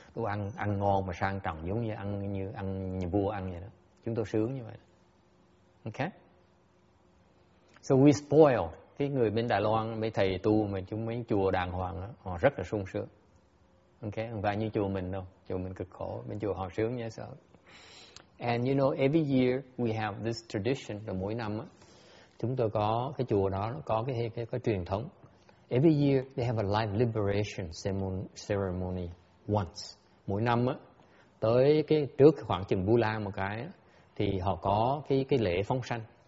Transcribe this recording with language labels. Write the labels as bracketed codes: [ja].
[vi] Tôi ăn ngon mà sang trọng giống như ăn nhà vua ăn vậy đó. Chúng tôi sướng như vậy. Okay. [en] So we spoil. [vi] Cái người bên Đài Loan, mấy thầy tu mà chúng mấy chùa đàng hoàng đó, họ rất là sung sướng. Okay, không phải như chùa mình đâu. Chùa mình cực khổ, bên chùa họ sướng như sao. [en] And you know, every year we have this tradition. [vi] Rồi mỗi năm á, chúng tôi có cái chùa đó có cái truyền thống. [en] Every year they have a life liberation ceremony once. [vi] Mỗi năm á, tới cái trước khoảng chừng Vu Lan một cái á, thì họ có cái lễ phóng sanh.